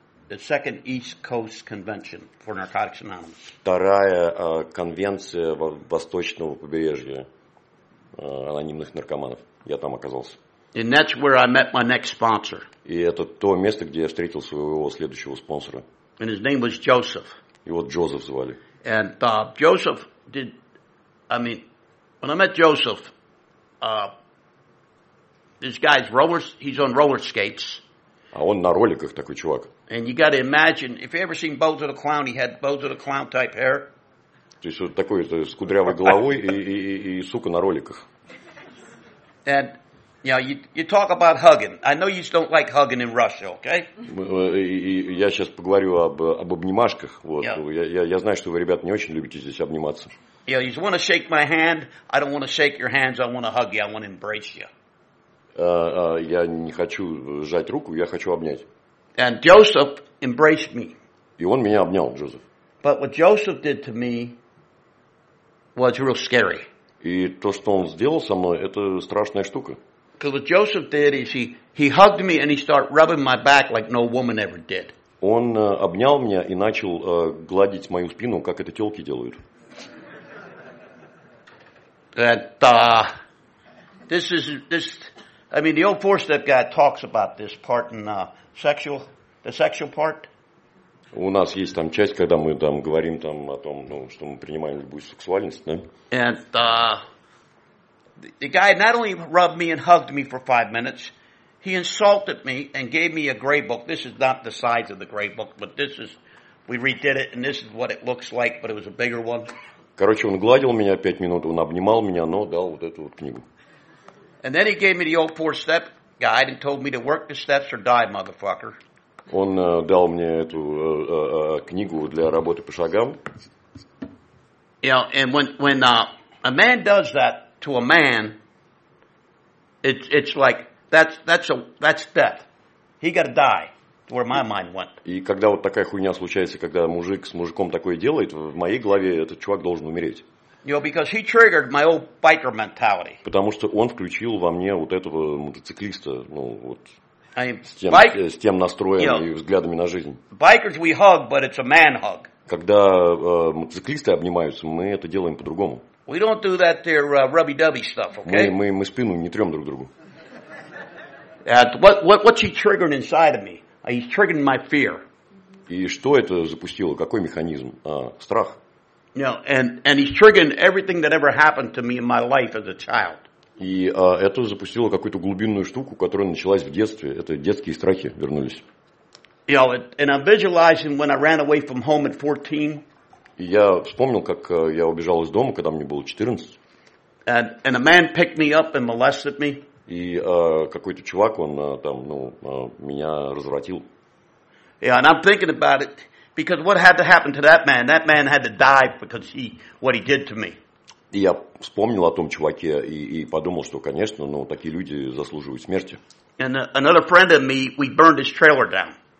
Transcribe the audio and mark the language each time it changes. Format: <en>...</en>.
<en>The Second East Coast Convention for Narcotics Anonymous.</en> <ru>Вторая конвенция восточного побережья анонимных наркоманов. Я там оказался.</ru> <en>And that's where I met my next sponsor.</en> <ru>И это то место, где я встретил своего следующего спонсора.</ru> <en>And his name was Joseph.</en> <ru>Его Джозеф звали.</ru> <en>And Joseph did, I mean, when I met Joseph, this guy's rollers, he's on roller skates.</en> <ru>А он на роликах такой чувак.</ru> <en>And you got to imagine, if you ever seen Bozo the Clown, he had Bozo the Clown type hair.</en> <ru>То есть вот такой с кудрявой головой и сука на роликах.</ru> <en>And you know, you talk about hugging. I know you just don't like hugging in Russia, okay?</en> <ru>Я сейчас поговорю об обнимашках. Вот. Yeah. Я знаю, что вы, ребята, не очень любите здесь обниматься.</ru> <en>Yeah, you just want to shake my hand. I don't want to shake your hands. I want to hug you. I want to embrace you.</en> <ru>Я не хочу сжать руку, я хочу обнять.</ru> <en>And Joseph embraced me.</en> <ru>И он меня обнял, Джозеф.</ru> <en>But what Joseph did to me was real scary.</en> <ru>И то, что он сделал со мной, это страшная штука.</ru> <en>Because what Joseph did is he hugged me and he started rubbing my back like no woman ever did.</en> <ru>Он обнял меня и начал гладить мою спину, как это тёлки делают.</ru> <en>That this is the old four-step guy talks about this part in the sexual part.</en> <ru>У нас есть там часть, когда мы там говорим там о том, ну, что мы принимаем любую сексуальность, да?</ru> <en>And the guy not only rubbed me and hugged me for 5 minutes, he insulted me and gave me a gray book. This is not the size of the gray book, but this is, we redid it, and this is what it looks like, but it was a bigger one.</en> <ru>Короче, он гладил меня 5 минут, он обнимал меня, но дал вот эту вот книгу.</ru> <en>And then he gave me the old four-step guide and told me to work the steps or die, motherfucker.</en> <ru>Он дал мне эту книгу для работы по шагам.</ru> <en>Yeah, and when a man does that to a man, it's like that's death. He got to die. Where my mind went.</en> <ru>И когда вот такая хуйня случается, когда мужик с мужиком такое делает, в моей голове этот чувак должен умереть.</ru> <en>You know, because he triggered my old biker mentality.</en> <ru>Потому что он включил во мне вот этого мотоциклиста, ну вот. С тем настроем,</ru> <en>you know,</en> <ru>и взглядами на жизнь.</ru> <en>Bikers we hug, but it's a man hug.</en> <ru>Когда мотоциклисты обнимаются, мы это делаем по-другому.</ru> <en>We don't do that there rubby-dubby stuff, okay?</en> <ru>Мы спину не трем друг другу.</ru> <en>What's he triggering inside of me? He's triggering my fear.</en> <ru>И что это запустило? Какой механизм? Страх.</ru> <en>You know, and he's triggering everything that ever happened to me in my life as a child.</en> <ru>И это запустило какую-то глубинную штуку, которая началась в детстве. Это детские страхи вернулись.</ru> <en>You know, and I'm visualizing when I ran away from home at 14.</en> <ru>И я вспомнил, как я убежал из дома, когда мне было 14.</ru> <en>And a man picked me up and molested me.</en> <ru>И какой-то чувак, он там, ну, меня развратил.</ru> <en>Yeah, and I'm thinking about it. Because what had to happen to that man? That man had to die because what he did to me.</en> <ru>И я вспомнил о том чуваке и подумал, что, конечно, ну, такие люди заслуживают смерти.</ru> <en>And another friend of me, we burned his trailer down.</en>